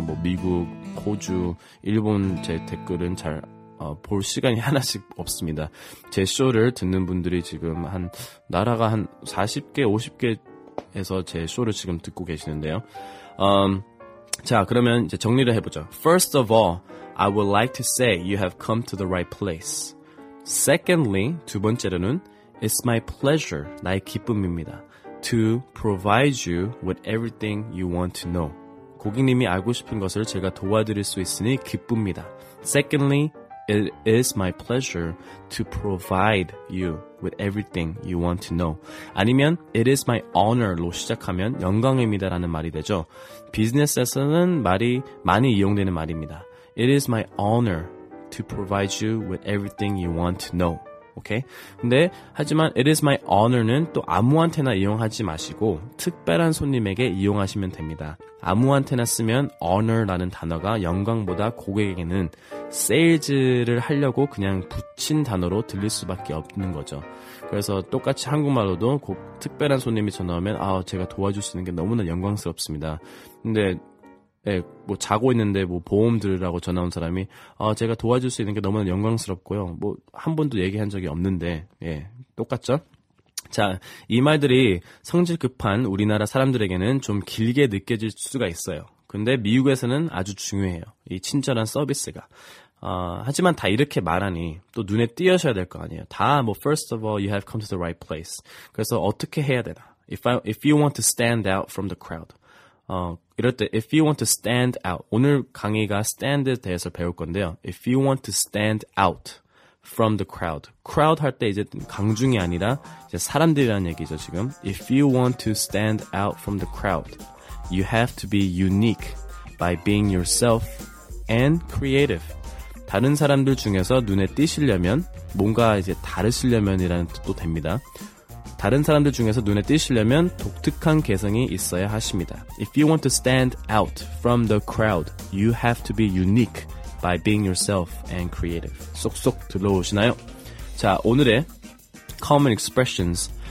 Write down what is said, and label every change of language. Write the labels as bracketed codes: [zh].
[ko] 뭐 미국, 호주, 일본 제 댓글은 잘 볼 시간이 하나씩 없습니다. 제 쇼를 듣는 분들이 지금 한 나라가 한 40개, 50개에서 제 쇼를 지금 듣고 계시는데요. 자, 그러면 이제 정리를 해보죠. [en] First of all, I would like to say you have come to the right place. Secondly, [ko] 두 번째로는 [en] It's my pleasure, [ko] 나의 기쁨입니다. [en] To provide you with everything you want to know. [ko] 고객님이 알고 싶은 것을 제가 도와드릴 수 있으니 기쁩니다. [en] Secondly, It is my pleasure to provide you with everything you want to know. [ko] 아니면 [en] It is my honor [ko] 로 시작하면 영광입니다 라는 말이 되죠. 비즈니스에서는 말이 많이 이용되는 말입니다. [en] It is my honor to provide you with everything you want to know. [ko] Okay? 근데 하지만 [en] It is my honor [ko] 는 또 아무한테나 이용하지 마시고 특별한 손님에게 이용하시면 됩니다. 아무한테나 쓰면 honor라는 단어가 영광보다 고객에게는 sales를 하려고 그냥 붙인 단어로 들릴 수밖에 없는 거죠. 그래서 똑같이 한국말로도 특별한 손님이 전화오면 제가 도와줄 수 있는 게 너무나 영광스럽습니다. 근데 예, 뭐 자고 있는데 뭐 보험 들으라고 전화 온 사람이 제가 도와줄 수 있는 게 너무나 영광스럽고요. 뭐 한 번도 얘기한 적이 없는데 예, 똑같죠? 자, 이 말들이 성질 급한 우리나라 사람들에게는 좀 길게 느껴질 수가 있어요. 근데 미국에서는 아주 중요해요. 이 친절한 서비스가. 하지만 다 이렇게 말하니 또 눈에 띄어셔야 될 거 아니에요. 다 뭐 [en] first of all you have come to the right place. [ko] 그래서 어떻게 해야 되나? [en] If you want to stand out from the crowd. [ko] 이럴 때 [en] if you want to stand out. [ko] 오늘 강의가 stand에 대해서 배울 건데요. [en] If you want to stand out from the crowd. [ko] crowd 할 때 이제 강중이 아니라 이제 사람들이라는 얘기죠, 지금. [en] If you want to stand out from the crowd, you have to be unique by being yourself and creative. [ko] 다른 사람들 중에서 눈에 띄시려면 뭔가 이제 다르시려면이라는 뜻도 됩니다. 다른 사람들 중에서 눈에 띄시려면 독특한 개성이 있어야 하십니다. [en] If you want to stand out from the crowd, you have to be unique by being yourself and creative. [ko] 쏙쏙 들어오시나요? 자, 오늘의 [en] common expressions.